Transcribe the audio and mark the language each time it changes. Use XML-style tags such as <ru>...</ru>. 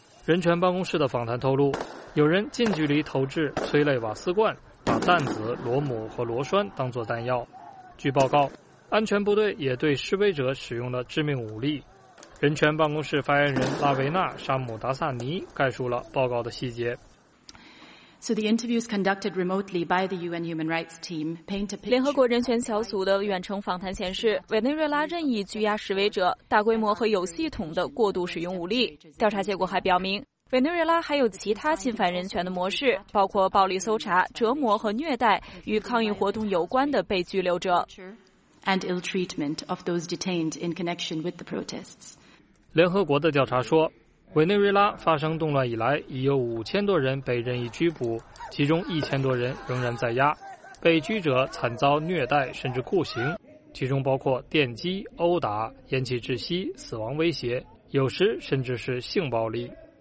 <zh>人权办公室的访谈透露，有人近距离投掷催泪瓦斯罐，把弹子、螺母和螺栓当作弹药。据报告，安全部队也对示威者使用了致命武力。人权办公室发言人拉维纳·沙姆达萨尼概述了报告的细节。</zh> <en>So the interviews conducted remotely by the UN Human Rights Team paint a picture.</en> <zh>联合国人权小组的远程访谈显示，委内瑞拉任意拘押示威者，大规模和有系统的过度使用武力。调查结果还表明，委内瑞拉还有其他侵犯人权的模式，包括暴力搜查、折磨和虐待与抗议活动有关的被拘留者。</zh> <en>And ill-treatment of those detained in connection with the protests.</en> <zh>联合国的调查说，委内瑞拉发生动乱以来，已有5000多人被任意拘捕，其中1000多人仍然在押，被拘者惨遭虐待甚至酷刑，其中包括电击、殴打、咽气窒息、死亡威胁，有时甚至是性暴力。</zh>